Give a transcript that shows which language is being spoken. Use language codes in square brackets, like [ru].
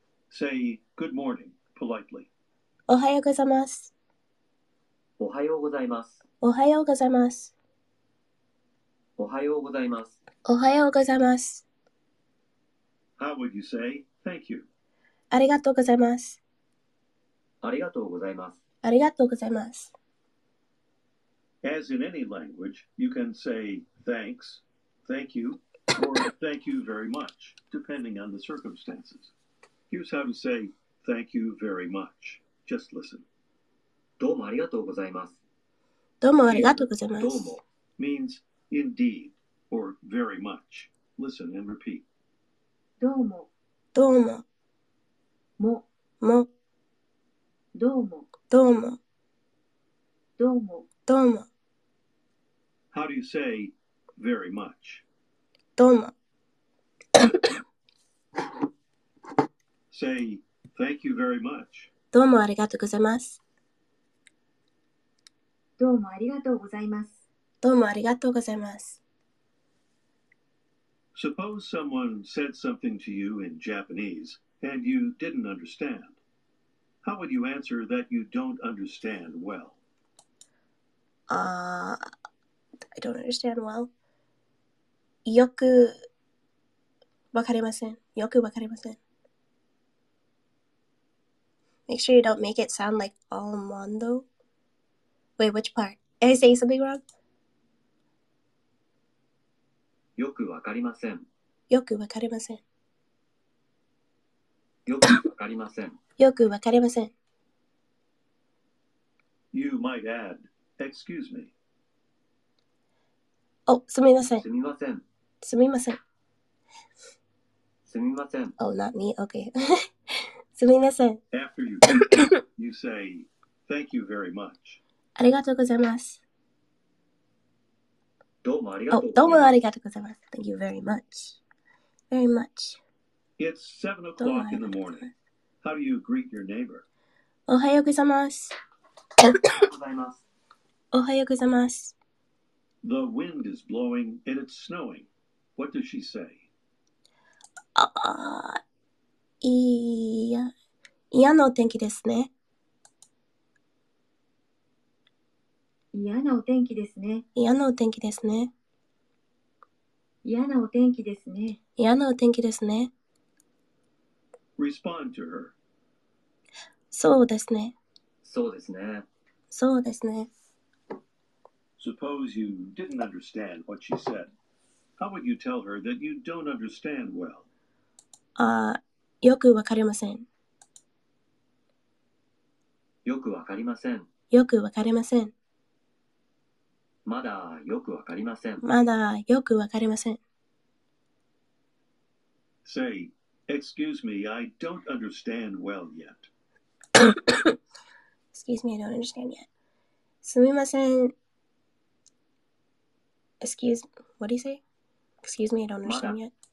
[en] Say good morning politely. [ja] おはようございます。おはようございます。おはようございます。おはようございます。おはようございます。 [en] How would you say thank you? [ja] ありがとうございます。ありがとうございます。ありがとうございます。 [en] As in any language, you can say thanks, thank you, or thank you very much, depending on the circumstances. Here's how to say thank you very much. Just listen. [ja] どうもありがとうございます。どうもありがとうございます。どうも [en] means indeed or very much. Listen and repeat. [ja] どうも。どうも。も。も。どうも。どうも。どうも。どうも。 [en] How do you say very much? [ja] どうも。 [en] Say thank you very much. [ja] どうもありがとうございます。どうもありがとうございます。どうもありがとうございます。 [en] Suppose someone said something to you in Japanese and you didn't understand. How would you answer that you don't understand well? I don't understand well. [ja] よくわかりません。よくわかりません。 [en] Make sure you don't make it sound like Almondo. Wait, which part? Did I say something wrong? [ja] よくわかりません。よくわかりません。よくわかりません。よくわかりません。 [en] You might add, excuse me. [ja] お、すみません。すみません。すみません。すみません。 [en] Oh, not me. Okay. [ja] すみません。 [en] After you finish, you say, thank you very much. [ja] ありがとうございます。どうもありがとうございます。Oh, どうもありがとうございます。 [en] Thank you very much. Very much. It's 7 o'clock in the morning. How do you greet your neighbor? [ja] おはようございます。おはようございます。 [en] The wind is blowing and it's snowing. What does she say? [ja] いや、嫌なお天気ですね。嫌なお天気ですね。嫌なお天気ですね。嫌なお天気ですね。嫌なお天気ですね。 [en] Respond to her. [ja] そうですね。そうですね。そうですね。 Suppose you didn't understand what she said. How would you tell her that you don't understand well? よくわかりません。よくわかりません。よくわかりません。まだよくわかりません。まだよくわかりません。 [en] Say, excuse me, I don't understand well yet. excuse me, I don't understand yet. [ja] すみません。 [en] Excuse, what do you say? Excuse me, I don't understand yet.